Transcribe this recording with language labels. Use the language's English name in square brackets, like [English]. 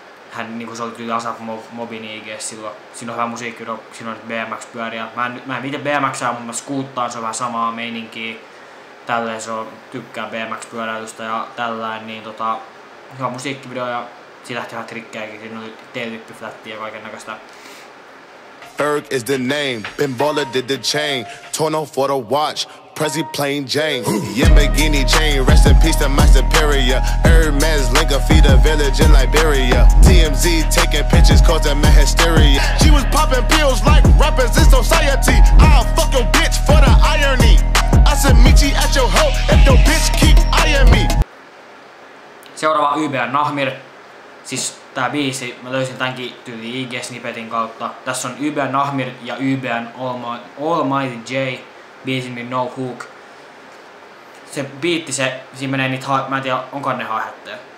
[Finnish] Hän niinku se oli tyyli ASAP Mobin IG silloin. Siinä on hyvä musiikkivideo, siinä on nyt BMX pyöriä. Mä en viite BMXää, mun mä skuuttaan, se on vähän samaa meininkiä. Tälleen se on, tykkään BMX pyöräilystä ja tällään, niin hyvä musiikkivideo ja siitä lähti ihan trikkejäkin, siinä oli T-tyyppi flätti ja kaiken näköistä. [English] Ferg is the name, been baller did the chain, torn off for the watch, Prezi Plain Jane, Yamagini chain, rest in peace to my superior, Hermes link a feed a village in Liberia, TMZ taking pictures causing my hysteria, she was popping pills like rappers in society, I'll fuck your bitch for the irony, I said Michi at your hoe, if your bitch keep eyeing me. [Finnish] Seuraava YBN Nahmir, siis tää biisi, mä löysin tänkin tyyli IG-snippetin kautta. Tässä on YBN Nahmir ja YBN Almighty J, biisin No Hook. Se biitti, se, siinä menee niitä, mä en tiedä, onko ne haihattuja.